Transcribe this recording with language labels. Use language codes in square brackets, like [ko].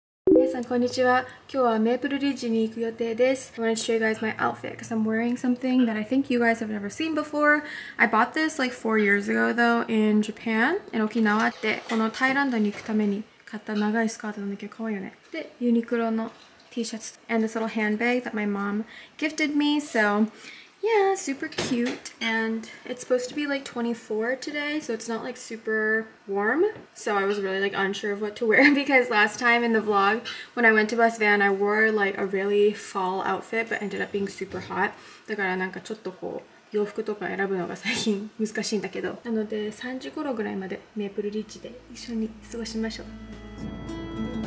[ja] 皆さんこんにちは。今日はメープルリッジに行く予定です。 [en] I wanted to show you guys my outfit because I'm wearing something that I think you guys have never seen before. I bought this like 4 years ago though in Japan. In Okinawa [ja] で、このタイランドに行くために買った長いスカートなんだけど可愛いよね。で、ユニクロの T シャツ。 [en] And this little handbag that my mom gifted me. So, yeah, super cute. And it's supposed to be like 24 today, so it's not like super warm. So I was really like unsure of what to wear because last time in the vlog, when I went to bus van, I wore like a really fall outfit, but ended up being super hot. [ja] だからなんかちょっとこう洋服とか選ぶのが最近難しいんだけど。なので3時頃ぐらいまでメープルリッジで一緒に過ごしましょう。